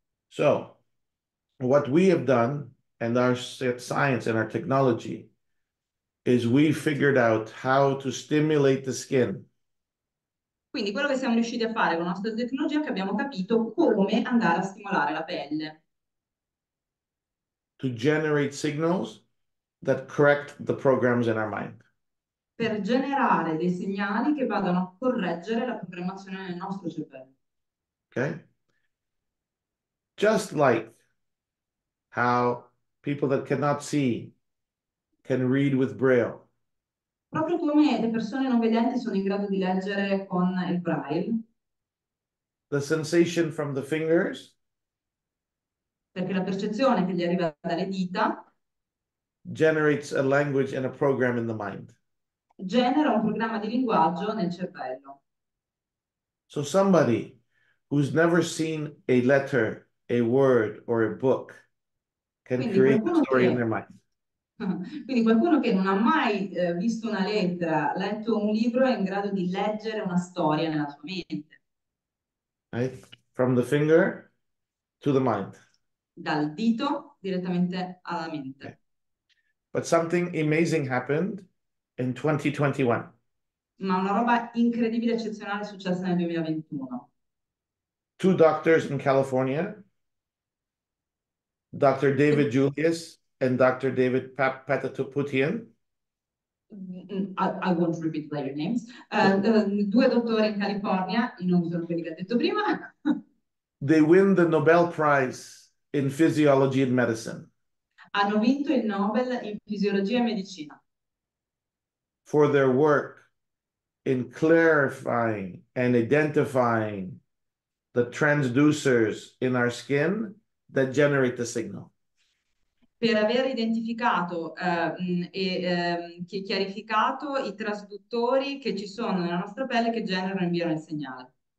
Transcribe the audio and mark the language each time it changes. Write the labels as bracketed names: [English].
[English] So, what we have done, and our science and our technology, is we figured out how to stimulate the skin. [Italian] Quindi quello che siamo riusciti a fare con la nostra tecnologia è che abbiamo capito come andare a stimolare la pelle. [English] To generate signals that correct the programs in our mind. [Italian] Per generare dei segnali che vadano a correggere la programmazione nel nostro cervello. Okay. [English] Just like how people that cannot see can read with braille. [Italian] Proprio come le persone non vedenti sono in grado di leggere con il braille. [English] The sensation from the fingers. [Italian] Perché la percezione che gli arriva dalle dita. [English] Generates a language and a program in the mind. [Italian] Genera un programma di linguaggio nel cervello. [English] So somebody who's never seen a letter, a word, or a book can create a story in their mind. [Italian] Quindi qualcuno che non ha mai visto una lettera, letto un libro, è in grado di leggere una storia nella sua mente. [English] Right? From the finger to the mind. [Italian] Dal dito direttamente alla mente. [English] But something amazing happened in 2021. [Italian] Ma una roba incredibile, eccezionale è successa nel 2021. [English] Two doctors in California, Dr. David Julius and Dr. David Patatoputian. I won't repeat their names. [Italian] Due dottori in California, i nomi sono quelli che ha detto prima. [English] they win the Nobel Prize in Physiology and Medicine. [Italian] Hanno vinto il Nobel in fisiologia e medicina. [English] For their work in clarifying and identifying the transducers in our skin that generate the signal. [Italian] Per aver identificato e chiarificato i trasduttori che ci sono nella nostra pelle che generano e inviano il segnale.